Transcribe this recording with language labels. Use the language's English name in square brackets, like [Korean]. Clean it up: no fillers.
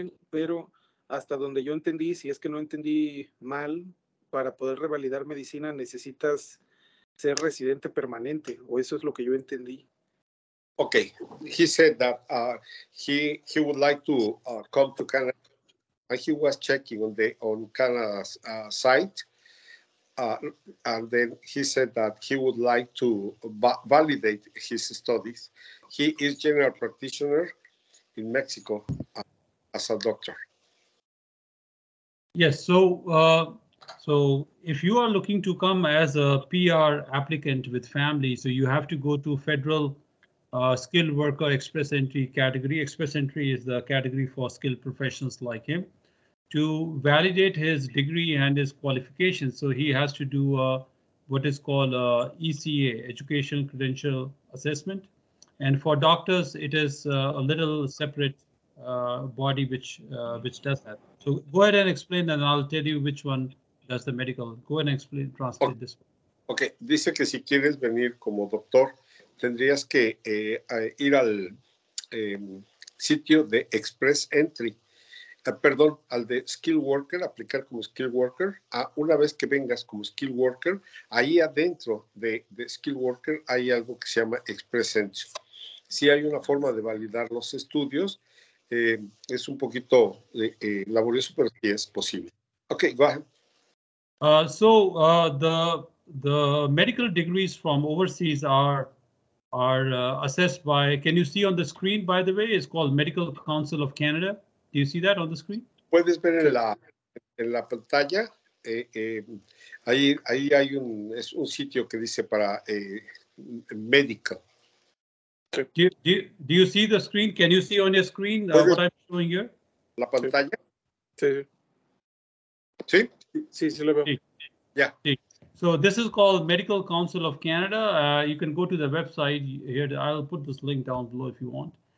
[Spanish] Pero hasta donde yo entendí, si es que no entendí mal, para poder revalidar medicina necesitas ser residente permanente, o eso es lo que yo entendí. [English] Okay, he said that he would like to come to Canada, and he was checking on Canada's site, and then he said that he would like to validate his studies. He is general practitioner in Mexico as a doctor. Yes, so if you are looking to come as a PR applicant with family, so you have to go to federal skilled worker express entry category. Express entry is the category for skilled professionals like him to validate his degree and his qualifications. So he has to do what is called a ECA, Educational Credential Assessment. And for doctors, it is a little separate body which does that. So go ahead and explain, and I'll tell you which one does the medical. Go ahead and explain, translate this. [Spanish] Okay, dice que si quieres venir como doctor, tendrías que ir al sitio de Express Entry, perdón, al de Skill Worker, aplicar como Skill Worker. Una vez que vengas como Skill Worker, ahí adentro de Skill Worker hay algo que se llama Express Entry. Sí hay una forma de validar los estudios, es un poquito laborioso, pero sí es posible. [English] Okay, go ahead. So the medical degrees from overseas are assessed by, can you see on the screen, by the way, it's called Medical Council of Canada. Do you see that on the screen? [Spanish] Puedes ver en la pantalla, ahí hay un sitio que dice para medical. [English] Do you see the screen? Can you see on your screen what I'm showing here? [Spanish] La pantalla. Sí. Sí. Sí, sí lo veo. Sí. Yeah. Sí. [English] So this is called Medical Council of Canada. You can go to the website here. I'll put this link down below if you want.